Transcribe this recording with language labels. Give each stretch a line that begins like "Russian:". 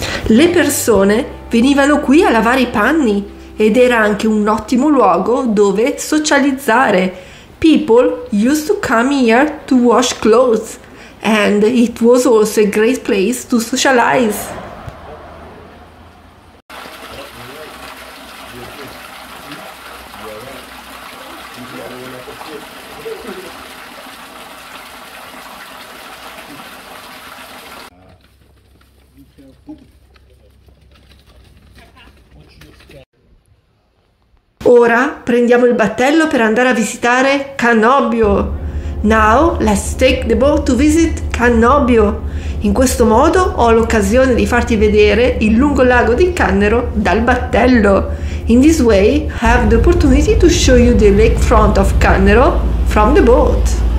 Italian: Le persone venivano qui a lavare i panni ed era anche un ottimo luogo dove socializzare.
English: People used to come here to wash clothes and it was also a great place to socialize.
Italian: Ora prendiamo il battello per andare a visitare Cannobio.
English: Now let's take the boat to visit Cannobio.
Italian: In questo modo ho l'occasione di farti vedere il lungo lago di Cannero dal battello.
English: In this way, I have the opportunity to show you the lakefront of Cannero from the boat.